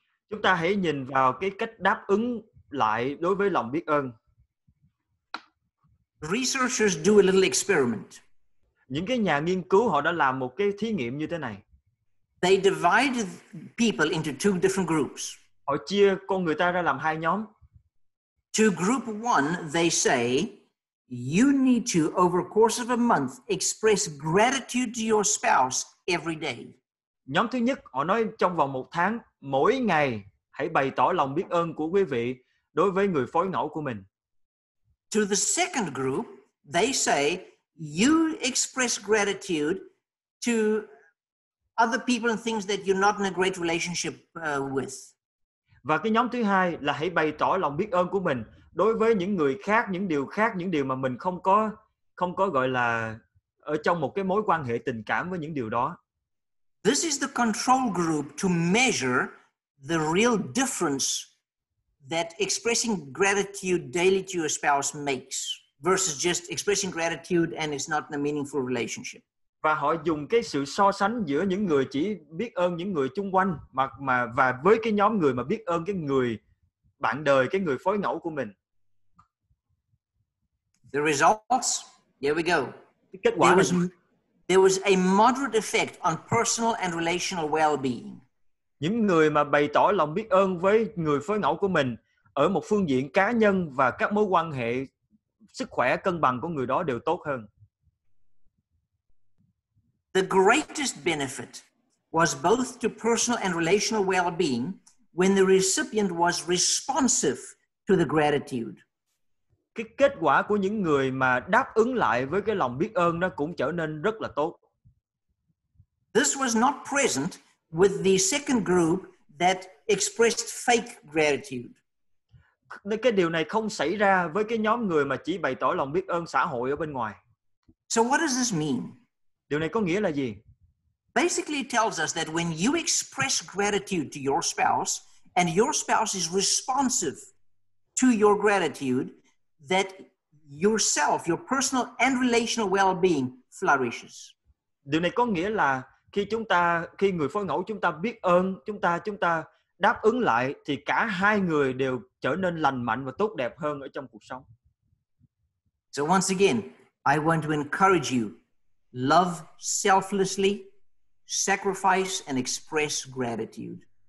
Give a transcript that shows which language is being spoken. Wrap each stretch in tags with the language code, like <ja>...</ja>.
<vi>Chúng ta hãy nhìn vào cái cách đáp ứng lại đối với lòng biết ơn.</vi> <en>Researchers do a little experiment.</en> <vi>Những cái nhà nghiên cứu họ đã làm một cái thí nghiệm như thế này.</vi> <en>They divide people into two different groups.</en> <vi>Họ chia con người ta ra làm hai nhóm.</vi> <en>To group one, they say, you need to, over the course of a month, express gratitude to your spouse every day.</en> <vi>Nhóm thứ nhất, họ nói trong vòng một tháng, mỗi ngày hãy bày tỏ lòng biết ơn của quý vị đối với người phối ngẫu của mình.</vi> <en>To the second group, they say, you express gratitude to other people and things that you're not in a great relationship with.</en> <vi>Và cái nhóm thứ hai là hãy bày tỏ lòng biết ơn của mình đối với những người khác, những điều khác, những điều mà mình không có gọi là ở trong một cái mối quan hệ tình cảm với những điều đó.</vi> <en>This is the control group to measure the real difference that expressing gratitude daily to your spouse makes versus just expressing gratitude and it's not in a meaningful relationship.</en> <vi>Và họ dùng cái sự so sánh giữa những người chỉ biết ơn những người chung quanh mà và với cái nhóm người mà biết ơn cái người bạn đời, cái người phối ngẫu của mình.</vi> <en>The results, here we go.</en> <vi>Kết quả</vi> <en>là there was a moderate effect on personal and relational well-being.</en> <vi>Những người mà bày tỏ lòng biết ơn với người phối ngẫu của mình ở một phương diện cá nhân và các mối quan hệ sức khỏe cân bằng của người đó đều tốt hơn.</vi> <en>The greatest benefit was both to personal and relational well-being when the recipient was responsive to the gratitude.</en> <vi>Cái kết quả của những người mà đáp ứng lại với cái lòng biết ơn nó cũng trở nên rất là tốt.</vi> <en>This was not present with the second group that expressed fake gratitude.</en> <vi>nên cái điều này không xảy ra với cái nhóm người mà chỉ bày tỏ lòng biết ơn xã hội ở bên ngoài.</vi> <en>So what does this mean?</en> <vi>Điều này có nghĩa là gì?</vi> <en>Basically it tells us that when you express gratitude to your spouse and your spouse is responsive to your gratitude, that yourself, your personal and relational well-being flourishes.</en> <vi>Điều này có nghĩa là khi chúng ta, khi người phối ngẫu chúng ta biết ơn, chúng ta đáp ứng lại, thì cả hai người đều trở nên lành mạnh và tốt đẹp hơn ở trong cuộc sống.</vi> <en>So once again, I want to encourage you, love selflessly, sacrifice and express gratitude.</en>